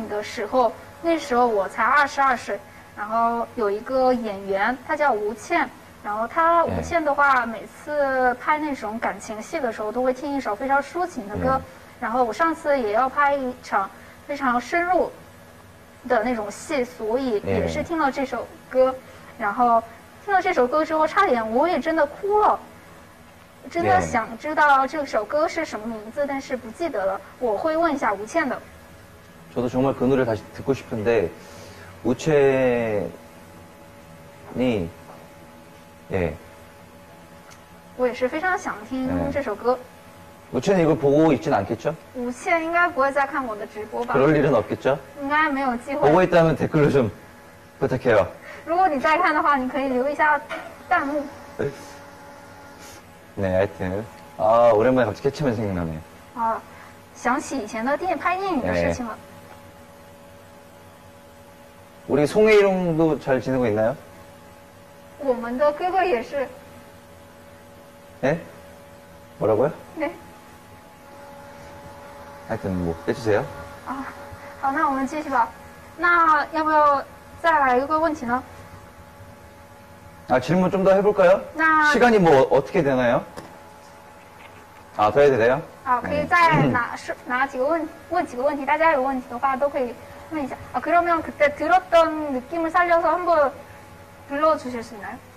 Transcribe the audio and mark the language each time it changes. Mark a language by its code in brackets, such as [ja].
[zh] 然后说，五年前我在中国拍电影的时候，那时候我才22岁。然后有一个演员，他叫吴倩。然后他吴倩的话，每次拍那种感情戏的时候，都会听一首非常抒情的歌。然后我上次也要拍一场非常深入的那种戏，所以也是听了这首歌。然后听了这首歌之后，差点我也真的哭了。真的想知道这首歌是什么名字，但是不记得了。我会问一下吴倩的。 [ko] 저도 정말 그 노래 다시 듣고 싶은데, 우첸이, 예. [zh] 我也是非常想听这首歌。 [ko] 예. 우첸이 이걸 보고 있진 않겠죠? [zh] 우첸应该不会再看我的直播吧。 [ko] 그럴 일은 없겠죠? [zh] 应该没有机会。 [ko] 보고 있다면 댓글로 좀 부탁해요. [zh] 如果你再看的话，你可以留一下弹幕。 [ko] 네, 하여튼. 아, 오랜만에 갑자기 캐치맨 생각나네. [zh] 아, 想起以前的电影拍电影的事情了。 [ko] 예. 우리 송혜롱도 잘 지내고 있나요? [zh] 我们的哥哥也是. [ko] 네? 뭐라고요? 네. 하여튼 뭐 해주세요. [zh] 아, 好，那我们继续吧。那要不要再来一个问题呢？ [ko] 아, 질문 좀 더 해볼까요? [zh] 那 [ko] 시간이 뭐 어떻게 되나요? 아, 더 해야 되나요? [zh] 아, 可以再拿几个问几个问题，大家有问题的话都可以。 [ko] 아, 그러면 그때 들었던 느낌을 살려서 한번 불러주실 수 있나요?